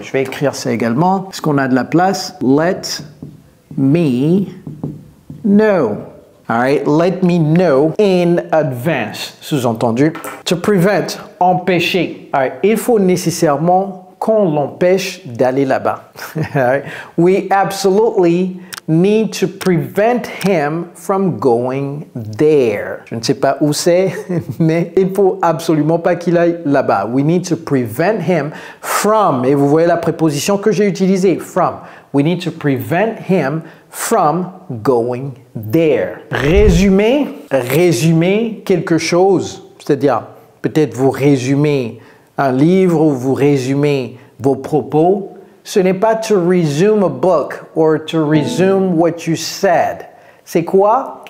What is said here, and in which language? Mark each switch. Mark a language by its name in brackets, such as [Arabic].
[French] Je vais écrire ça également. Est-ce qu'on a de la place? [English] Let me know. All right. Let me know in advance. Sous-entendu. To prevent. Empêcher. All right. [French] Il faut nécessairement qu'on l'empêche d'aller là-bas. [English] All right. We absolutely need to prevent him from going there. [French] Je ne sais pas où c'est, mais il ne faut absolument pas qu'il aille là-bas. [English] We need to prevent him from, [French] et vous voyez la préposition que j'ai utilisée, from. [English] We need to prevent him from going there. [French] Résumer quelque chose, c'est-à-dire peut-être vous résumez un livre ou vous résumez vos propos. Ce n'est pas [English] to resume a book or to resume what you said. [French] C'est quoi?